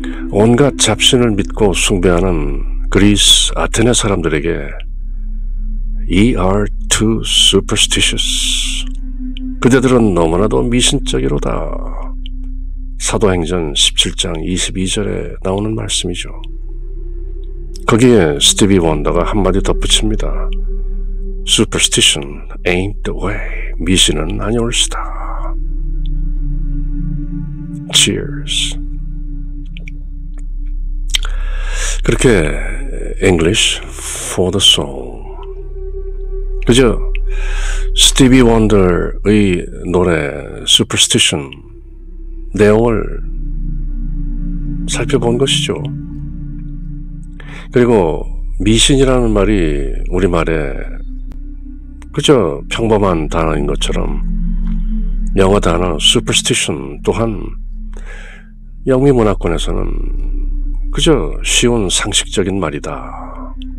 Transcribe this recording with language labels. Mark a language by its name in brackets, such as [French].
[Korean] 온갖 잡신을 믿고 숭배하는 그리스 아테네 사람들에게 [English] "We are too superstitious." [Korean] 그대들은 너무나도 미신적이로다. 사도행전 17장 22절에 나오는 말씀이죠. 거기에 스티비 원더가 한마디 덧붙입니다. [English] Superstition ain't the way. [Korean] 미신은 아니올시다. [English] Cheers. [Korean] 그렇게 English for the soul. 그죠? 스티비 원더의 노래 Superstition 내용을 살펴본 것이죠. 그리고 미신이라는 말이 우리말에 그저 평범한 단어인 것처럼 영어 단어 superstition 또한 영미 문화권에서는 그저 쉬운 상식적인 말이다.